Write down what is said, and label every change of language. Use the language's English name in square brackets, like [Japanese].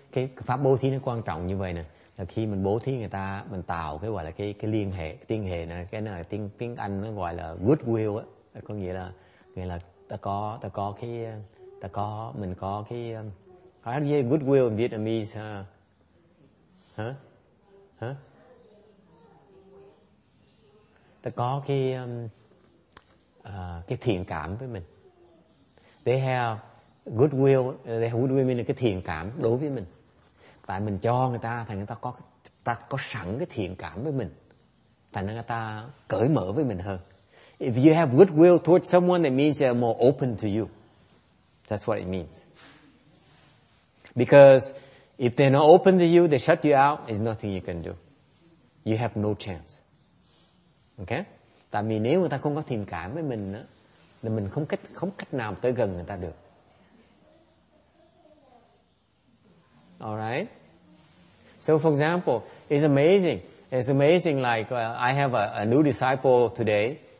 [Vietnamese] Cái pháp bố thí nó quan trọng như vậy nè, là khi mình bố thí người ta, mình tạo cái gọi là cái liên hệ, tiên hệ này, cái này tiếng Anh nó gọi là goodwill á, có nghĩa là ta có cái ta có mình có cái [English] how do you say goodwill in Vietnamese [Vietnamese] ta có cái thiện cảm với mình. [English] They have goodwill, they have goodwill mean [Vietnamese] là cái thiện cảm đối với mình. Tại mình cho người ta thì người ta có sẵn cái thiện cảm với mình. Thành ra người ta cởi mở với mình hơn. [English] If you have goodwill towards someone, that means they're more open to you. That's what it means. Because if they're not open to you, they shut you out, there's nothing you can do. You have no chance. Okay? [Vietnamese] Tại vì nếu người ta không có thiện cảm với mình đó, thì mình không cách nào tới gần người ta được. [English] All right. So, for example, it's amazing. It's amazing. Like I have a new disciple today.